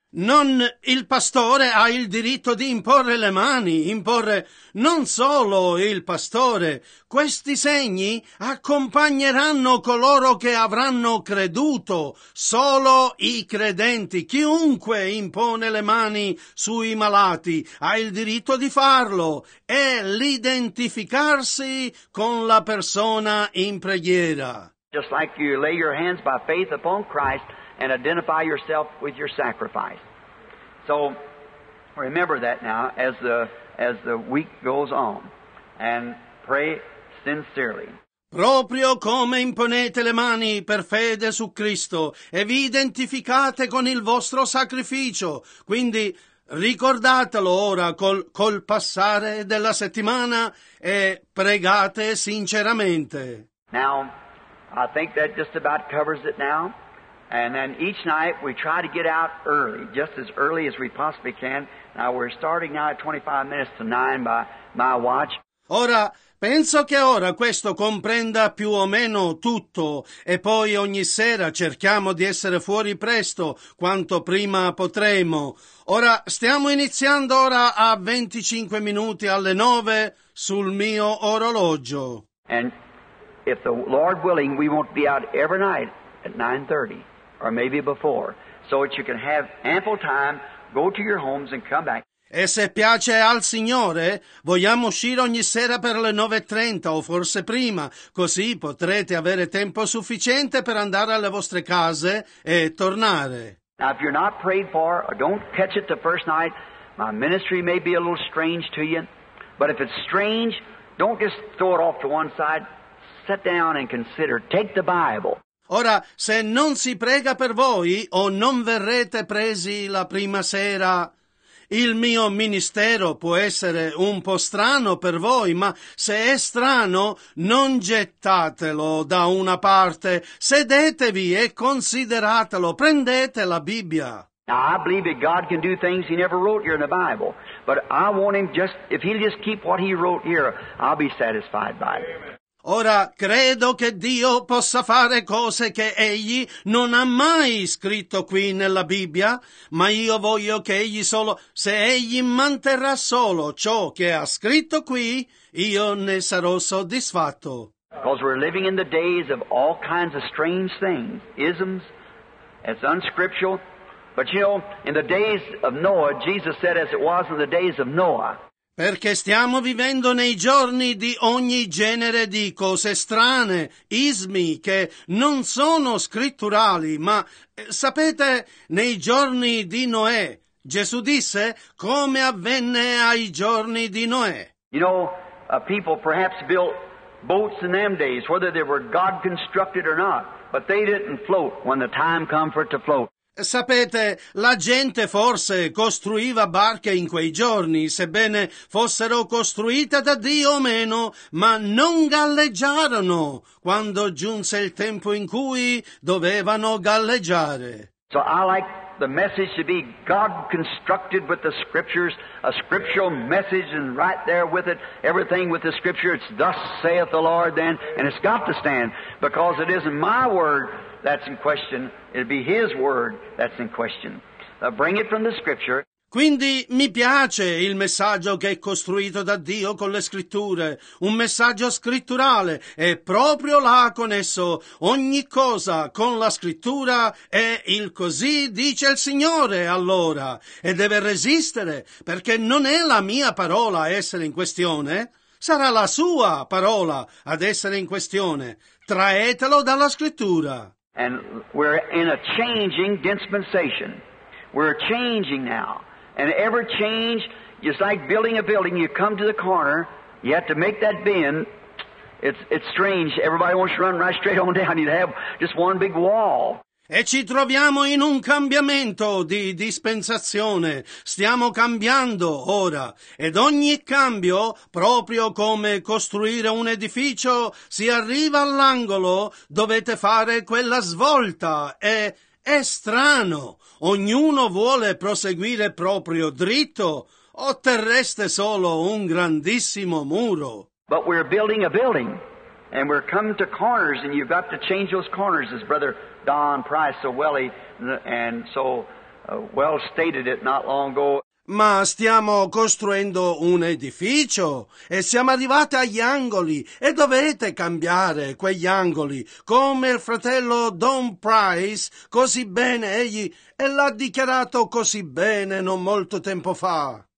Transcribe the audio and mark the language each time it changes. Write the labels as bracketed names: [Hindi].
[Italian] Non il pastore ha il diritto di imporre le mani, imporre non solo il pastore. Questi segni accompagneranno coloro che avranno creduto, solo i credenti. Chiunque impone le mani sui malati ha il diritto di farlo e l'identificarsi con la persona in preghiera. [English] Just like you lay your hands by faith upon Christ and identify yourself with your sacrifice. So remember that now as the week goes on and pray sincerely. [Italian] Proprio come imponete le mani per fede su Cristo e vi identificate con il vostro sacrificio, quindi ricordatelo ora col passare della settimana e pregate sinceramente. [English] Now I think that just about covers it now. And then each night we try to get out early, just as early as we possibly can. Now we're starting now at 25 minutes to 9 by my watch. [Italian] Ora, penso che ora questo comprenda più o meno tutto. E poi ogni sera cerchiamo di essere fuori presto, quanto prima potremo. Ora, stiamo iniziando ora a 25 minuti alle 9 sul mio orologio. [English] And if the Lord willing, we won't be out every night at 9:30. Or maybe before, so that you can have ample time, go to your homes and come back. [Italian] E se piace al Signore, vogliamo uscire ogni sera per le 9:30 o forse prima, così potrete avere tempo sufficiente per andare alle vostre case e tornare. [English] Now, if you're not prayed for or don't catch it the first night, my ministry may be a little strange to you, but if it's strange, don't just throw it off to one side. Sit down and consider. Take the Bible. [Italian] Ora, se non si prega per voi o non verrete presi la prima sera, il mio ministero può essere un po' strano per voi, ma se è strano, non gettatelo da una parte. Sedetevi e consideratelo. Prendete la Bibbia. [English] Now, I believe that God can do things He never wrote here in the Bible, but I want Him just, if He'll just keep what He wrote here, I'll be satisfied by it. [Italian] Ora, credo che Dio possa fare cose che Egli non ha mai scritto qui nella Bibbia, ma io voglio che Egli solo, se Egli manterrà solo ciò che ha scritto qui, io ne sarò soddisfatto. [English] Because we're living in the days of all kinds of strange things, isms, it's unscriptural. But you know, in the days of Noah, Jesus said as it was in the days of Noah. [Italian] Perché stiamo vivendo nei giorni di ogni genere di cose strane, ismi, che non sono scritturali, ma sapete, nei giorni di Noè, Gesù disse come avvenne ai giorni di Noè. [English] You know, people perhaps built boats in them days, whether they were God-constructed or not, but they didn't float when the time come for it to float. [Italian] Sapete, la gente forse costruiva barche in quei giorni, sebbene fossero costruite da Dio o meno, ma non galleggiarono quando giunse il tempo in cui dovevano galleggiare. [English] So I like the message to be God constructed with the scriptures, a scriptural message, and right there with it, everything with the scripture, it's thus saith the Lord then, and it's got to stand, because it isn't my word that's in question, it'd be His word that's in question. Bring it from the scripture. [Italian] Quindi mi piace il messaggio che è costruito da Dio con le scritture, un messaggio scritturale, e proprio là con esso ogni cosa con la scrittura è il così dice il Signore allora, e deve resistere, perché non è la mia parola a essere in questione, sarà la sua parola ad essere in questione. Traetelo dalla scrittura. [English] And we're in a changing dispensation. We're changing now. And every change, it's like building a building. You come to the corner, you have to make that bend. It's strange. Everybody wants to run right straight on down. You have just one big wall. [Italian] E ci troviamo in un cambiamento di dispensazione. Stiamo cambiando ora. Ed ogni cambio, proprio come costruire un edificio, si arriva all'angolo, dovete fare quella svolta. È strano. Ognuno vuole proseguire proprio dritto, otterreste solo un grandissimo muro. [English] But we're building a building, and we're coming to corners, and you've got to change those corners, as Brother Don Price so well and so well stated it not long ago. [Italian] Ma stiamo costruendo un edificio e siamo arrivati agli angoli e dovete cambiare quegli angoli, come il fratello Don Price così bene egli e l'ha dichiarato così bene non molto tempo fa.